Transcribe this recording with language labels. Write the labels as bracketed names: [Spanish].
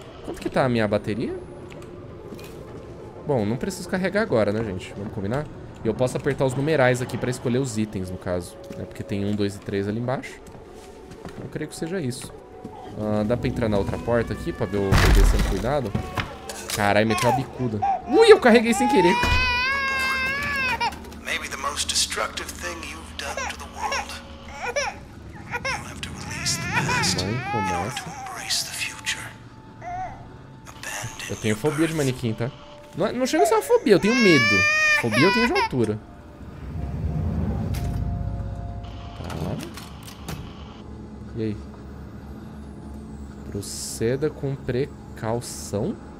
[Portuguese] Quanto que tá a minha bateria? Bom, não preciso carregar agora, né, gente? Vamos combinar? E eu posso apertar os numerais aqui pra escolher os itens, no caso. Né? Porque tem 1, 2 e 3 ali embaixo. Eu creio que seja isso. Dá pra entrar na outra porta aqui pra ver o bebê sendo cuidado? Caralho, meteu a bicuda. Ui, eu carreguei sem querer. [English] Maybe the most destructive thing you've done to the world. You'll have to release the past. [Portuguese] Mãe, como é? [English] To embrace the future. Abandon. [Portuguese] Eu tenho fobia de manequim, tá? Não chega a ser uma fobia, eu tenho medo. Fobia eu tenho de altura. E aí? Proceda com precaução?